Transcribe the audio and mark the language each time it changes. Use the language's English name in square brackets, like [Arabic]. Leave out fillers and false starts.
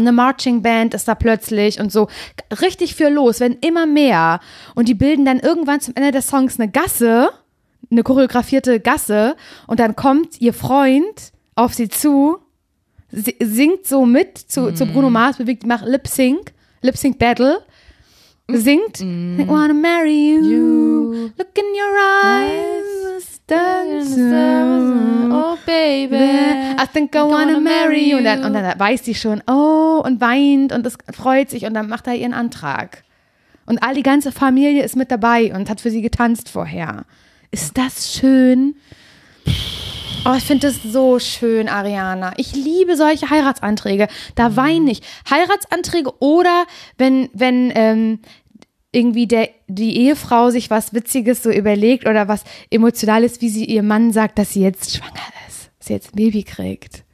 [German] Eine Marching Band ist da plötzlich und so. Richtig für los, werden immer mehr. Und die bilden dann irgendwann zum Ende des Songs eine Gasse, eine choreografierte Gasse. Und dann kommt ihr Freund auf sie zu, singt so mit zu Bruno Mars, bewegt, macht Lip-Sync-Battle. [English] Singt, I wanna marry you, look in your eyes, dancing, oh baby, I think I wanna marry you. [German] Und dann weiß sie schon, oh, und weint und das freut sich und dann macht er ihren Antrag. Und all die ganze Familie ist mit dabei und hat für sie getanzt vorher. Ist das schön? Oh, ich finde das so schön, Ariana. Ich liebe solche Heiratsanträge. Da weine ich. Heiratsanträge oder wenn irgendwie die Ehefrau sich was Witziges so überlegt oder was Emotionales, wie sie ihrem Mann sagt, dass sie jetzt schwanger ist, dass sie jetzt ein Baby kriegt.